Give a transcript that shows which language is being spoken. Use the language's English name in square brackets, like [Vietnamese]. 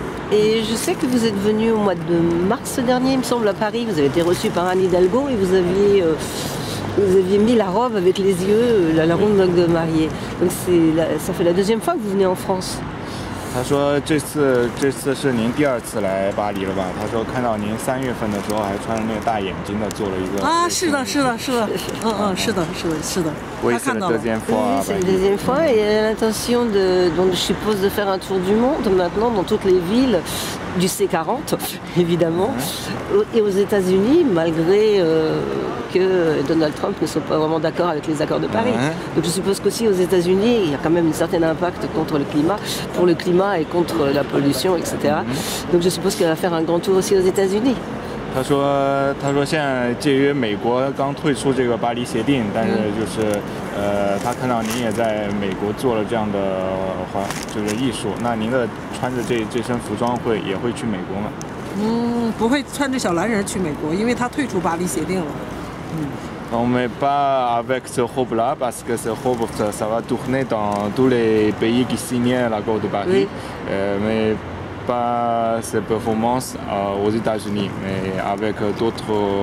[French] Et je sais que vous êtes venu au mois de mars dernier, il me semble, à Paris. Vous avez été reçu par Anne Hidalgo et vous aviez mis la robe avec les yeux, la ronde robe de mariée. Donc ça fait la deuxième fois que vous venez en France. [Chinese] 他说这次是您第二次来巴黎了吧？他说看到您3月份的时候还穿着那个大眼睛的做了一个啊，是的，是的，是的，是的，他看到了。 [French] c'est la deuxième fois et l'intention de donc je suppose de faire un tour du monde maintenant dans toutes les villes du C40 évidemment et aux États-Unis malgré que Donald Trump ne soit pas vraiment d'accord avec les accords de Paris. Donc je suppose qu'aussi aux États-Unis il y a quand même un certain impact contre le climat pour le climat et contre la pollution, etc. Donc je suppose qu'elle va faire un grand tour aussi aux États-Unis. [Chinese] 他说现在介于美国刚退出这个巴黎协定，但是就是他看到您也在美国做了这样的就是艺术，那您的穿着这身服装也会去美国吗？不会穿着小蓝人去美国，因为他退出巴黎协定了。 [French] On ne met pas avec ce robe là parce que ce robe ça va tourner dans tous les pays qui signent l'accord de Paris, mais pas ses performances aux États-Unis, mais avec d'autres.